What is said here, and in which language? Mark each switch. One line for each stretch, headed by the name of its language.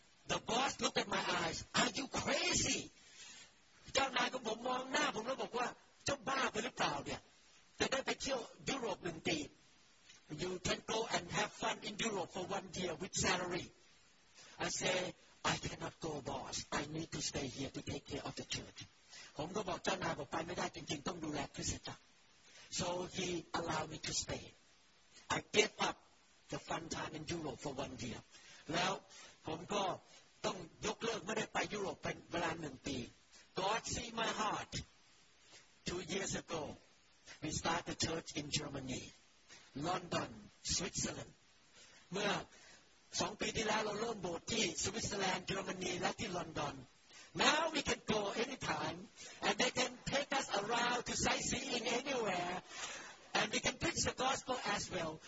English: The boss looked at my eyes Are you crazy
Thai: เจ้านายของผมมองหน้าผมแล้วบอกว่าเจ้าบ้าไปหรือเปล่าเนี่ยจะได้ไปเที่ยวยุโรป1 ปี
English: You can go and have fun in Europe for 1 year with salary I say I cannot go boss I need to stay here to take care of the church
Thai: ผมก็บอกเจ้านายบอกไปไม่ได้จริงๆต้องดูแลคริสตจักร
English: So he allowed me to stay. I gave up the fun time in Europe for 1 year.
Thai: แล้วผมก็ต้องยกเลิกไม่ได้ไปยุโรปเป็นเวลา1 ปี
English: God see my heart. 2 years ago, we started a church in Germany, London, Switzerland.
Thai: เมื่อ2 ปีที่แล้วเราเริ่มโบสถ์ที่สวิตเซอร์แลนด์เยอรมนีและที่ลอนดอน
English: Now we can go anytime. And they can take us around to sightseeing anywhere, and we can preach the gospel as well.